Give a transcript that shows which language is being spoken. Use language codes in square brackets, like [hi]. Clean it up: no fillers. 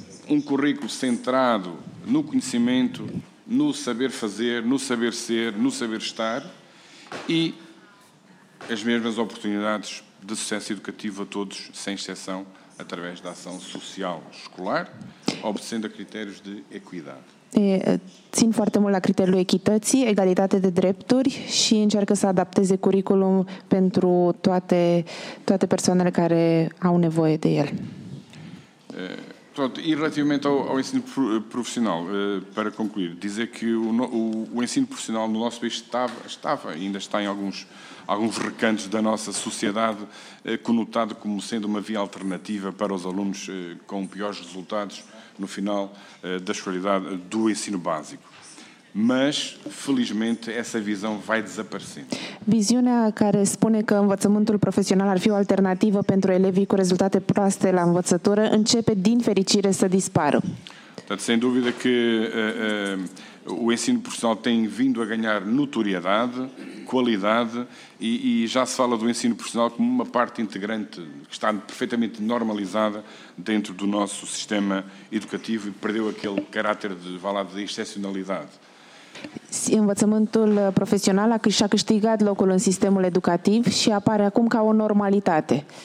[pt] um currículo centrado no conhecimento, no saber fazer, no saber ser, no saber estar e as mesmas oportunidades de sucesso educativo a todos, sem exceção, através da ação social escolar, obedecendo a critérios de equidade. [ro] Țin foarte mult la criteriul echității, egalitate de drepturi și încearcă să adapteze curriculum pentru toate persoanele care au nevoie de el. [pt] Pronto, e relativamente ao ensino profissional, para concluir, dizer que o ensino profissional no nosso país estava ainda está em alguns recantos da nossa sociedade, conotado como sendo uma via alternativa para os alunos com piores resultados no final da escolaridade do ensino básico. Mas, felizmente, essa visão vai desaparecendo. [ro] Viziunea care spune că învățământul profesional ar fi o alternativă pentru elevii cu rezultate proaste la învățătură începe, din fericire, să dispară. [pt] Portanto, sem dúvida que o ensino profissional tem vindo a ganhar notoriedade, qualidade e já se fala do ensino profissional como uma parte integrante que está perfeitamente normalizada dentro do nosso sistema educativo e perdeu aquele caráter de excepcionalidade. [ro] Învățământul profesional și-a câștigat locul în sistemul educativ și apare acum ca o normalitate.